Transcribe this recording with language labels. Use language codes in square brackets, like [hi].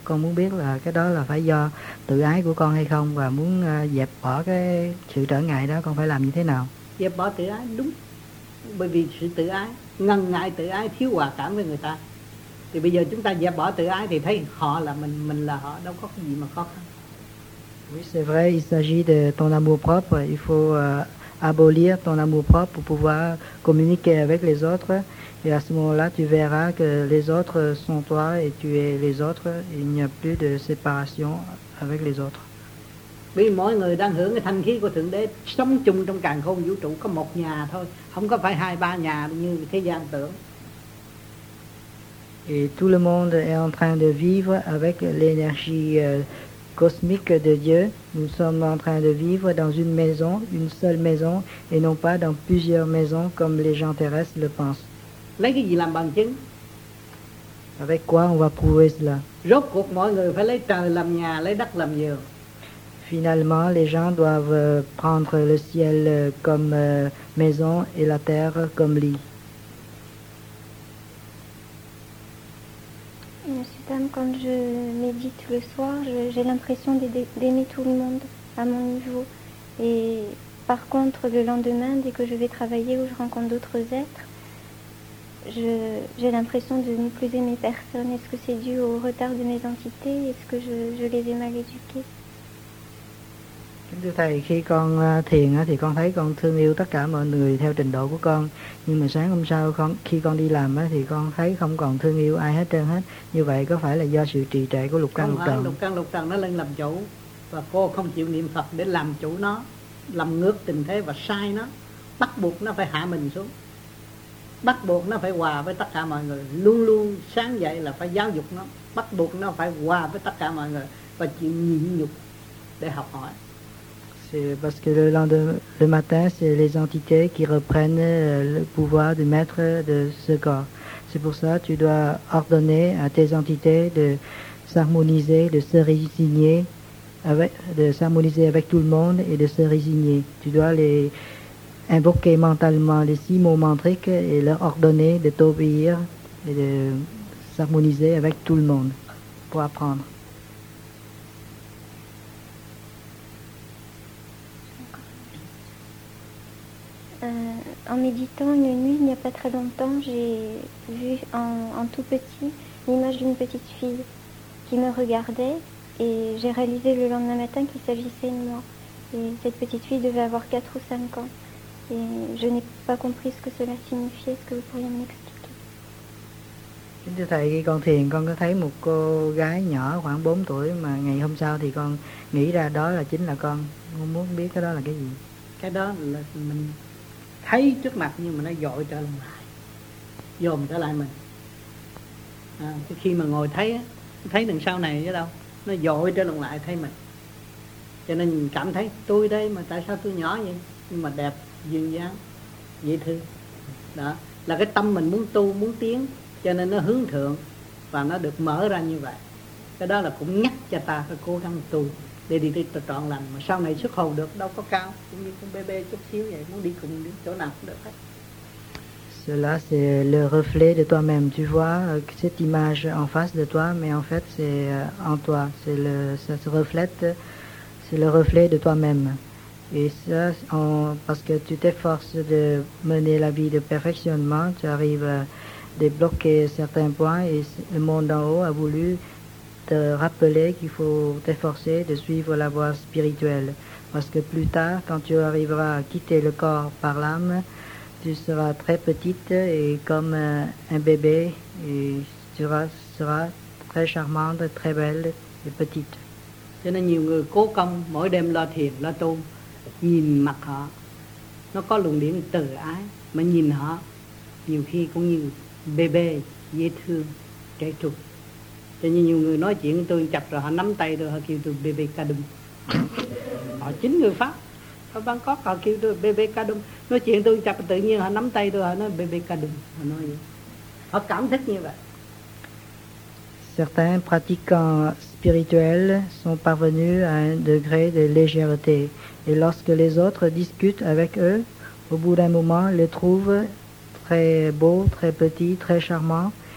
[vi] Con muốn biết là cái đó là phải do tự ái của con hay không, và muốn dẹp bỏ cái sự trở ngại đó con phải làm như thế nào? Dẹp bỏ tự ái, đúng. Bởi vì sự tự ái, ngần ngại tự ái, thiếu hòa cảm với người ta. Thì bây giờ chúng ta dẹp bỏ tự ái thì thấy họ là mình là họ, đâu có cái gì mà khó khăn. [fr] Oui, c'est vrai, il s'agit de ton amour propre. Il faut abolir ton amour propre pour pouvoir communiquer avec les autres. Et à ce moment-là, tu verras que les autres sont toi et tu es les autres. Il n'y a plus de séparation avec les autres. [vi] Oui, mọi người đang hưởng cái thanh khí của Thượng Đế, sống chung trong càn khôn vũ trụ, có một nhà thôi, không có phải hai ba nhà như thế gian tưởng. [fr] Et tout le monde est en train de vivre avec l'énergie cosmique de Dieu. Nous sommes en train de vivre dans une maison, une seule maison, et non pas dans plusieurs maisons comme les gens terrestres le pensent. [vi] Lấy cái gì làm bằng chứng? [fr] Avec quoi on va prouver cela? [vi] Rốt cuộc mọi người phải lấy trời làm nhà, lấy đất làm vườn. [fr] Finalement, les gens doivent prendre le ciel comme maison et la terre comme lit. Monsieur Tam, quand je médite le soir, j'ai l'impression d'aimer tout le monde à mon niveau. Et par contre, le lendemain, dès que je vais travailler ou je rencontre d'autres êtres, j'ai l'impression de ne plus aimer personne. Est-ce que c'est dû au retard de mes entités? Est-ce que je les ai mal éduqués? [vi] Thưa thầy, khi con thiền thì con thấy con thương yêu tất cả mọi người theo trình độ của con, nhưng mà sáng hôm sau khi con đi làm thì con thấy không còn thương yêu ai hết trơn hết. Như vậy có phải là do sự trì trệ của lục căn lục trần? Lục căn lục trần nó lên làm chủ và cô không chịu niệm Phật để làm chủ nó, làm ngược tình thế và sai nó, bắt buộc nó phải hạ mình xuống, bắt buộc nó phải hòa với tất cả mọi người, luôn luôn sáng dậy là phải giáo dục nó, bắt buộc nó phải hòa với tất cả mọi người và chịu nhịn nhục để học hỏi. [fr] C'est parce que le matin, c'est les entités qui reprennent le pouvoir du maître de ce corps. C'est pour ça que tu dois ordonner à tes entités de s'harmoniser, de se résigner, de s'harmoniser avec tout le monde et de se résigner. Tu dois les invoquer mentalement, les six mots mantriques, et leur ordonner de t'obéir et de s'harmoniser avec tout le monde pour apprendre. En méditant une nuit, il n'y a pas très longtemps, j'ai vu en tout petit l'image d'une petite fille qui me regardait et j'ai réalisé le lendemain matin qu'il s'agissait de moi. Et cette petite fille devait avoir 4 ou 5 ans. Et je n'ai pas compris ce que cela signifiait. Est-ce que vous pourriez m'expliquer? [vi] Thưa thầy, khi con thiền, con có thấy một cô gái nhỏ khoảng 4 tuổi mà ngày hôm sau thì con nghĩ ra đó là chính là con. Con muốn biết cái đó là cái gì? Cái đó là mình thấy trước mặt nhưng mà nó dội trở lại, dồn trở lại mình. À, khi mà ngồi thấy, thấy đằng sau này chứ đâu, nó dội trở lại thấy mình. Cho nên cảm thấy tôi đây mà tại sao tôi nhỏ vậy, nhưng mà đẹp, duyên dáng, dễ thương. Đó, là cái tâm mình muốn tu, muốn tiến, cho nên nó hướng thượng và nó được mở ra như vậy. Cái đó là cũng nhắc cho ta phải cố gắng tu để đi trọn lành, mà sau này xuất hồn được, đâu có cao, cũng như con bé chút xíu vậy, muốn đi cùng đến chỗ nào cũng được hết. [fr] Cela c'est le reflet de toi-même. Tu vois cette image en face de toi, mais en fait c'est en toi. C'est le, ça se reflète, c'est le reflet de toi-même. Et ça, parce que tu t'efforces de mener la vie de perfectionnement, tu arrives à débloquer certains points et le monde d'en haut a voulu te rappeler qu'il faut t'efforcer de suivre la voie spirituelle. Parce que plus tard, quand tu arriveras à quitter le corps par l'âme, tu seras très petite et comme un bébé, et tu seras très charmante, très belle et petite. [vi] Cho nên nhiều người cố công, mỗi đêm lo thiền, lo tu, nhìn mặt họ, nó có luồng điện từ ái, mà nhìn họ, nhiều khi cũng như bébé, dễ thương, trẻ trung. Cho nên nhiều người nói chuyện tôi chặt rồi họ nắm tay tôi, họ kêu tôi bébé Kadum. Họ chính người Pháp. Ở Bangkok họ kêu tôi bébé Kadum. Nói chuyện tôi chặt tự nhiên họ nắm tay tôi, họ nói bébé Kadum. Họ nói vậy. Họ cảm thích như vậy. [fr] Certains pratiquants spirituels sont parvenus à un degré de légèreté. Et lorsque les autres discutent avec eux, au bout d'un moment, ils les trouvent très beaux, très petits, très charmants.